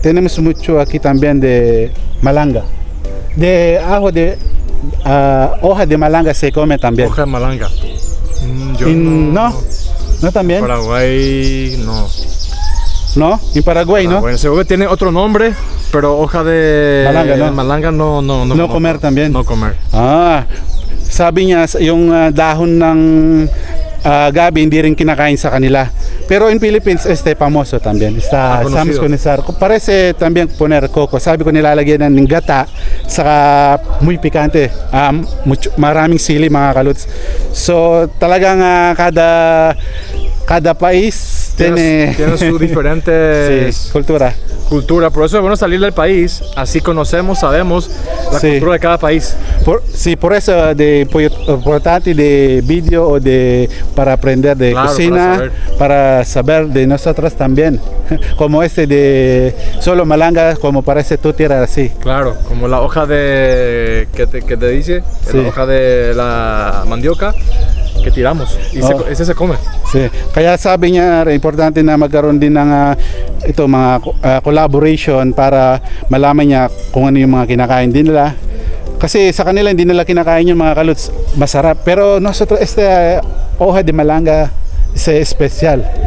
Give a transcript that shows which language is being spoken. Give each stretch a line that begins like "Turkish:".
Spanish: Tenemos mucho aquí también de malanga. De ajo de hoja de malanga se come también. Hoja de malanga. No también. Paraguay no. ¿No? ¿En Paraguay no? Bueno, seguro tiene otro nombre, pero hoja de malanga, ¿no? Malanga no comer también. No comer. Ah.
Filipino: Sabi niya, yung dahon ng gabi, hindi rin kinakain sa kanila.
Spanish: Pero in Philippines, este famoso también. Está famoso con esa. Parece también poner coco.
Filipino: Sabi ko nilalagyan ng gata saka
Spanish: muy picante.
Filipino: Maraming sili mga kaluts. So talagang
Spanish: cada país tiene su diferente cultura. Cultura, por eso es bueno salir del país, así conocemos, sabemos la cultura de cada país. Por eso de importante de video o de para aprender de claro, cocina, para saber de nosotras también. Como este de solo malanga, como parece tú tirar así. Claro, como la hoja de que te dice, sí. La hoja de la mandioca. Que tiramos y ese se come. Sí.
Filipino: Kaya sabi niya importante na magkaroon din ng ito mga collaboration para malaman niya kung ano yung mga kinakain din nila. Kasi sa kanila hindi nila kinakain yung mga kaluts, masarap.
Spanish: Pero nosotros este hoja de malanga es especial.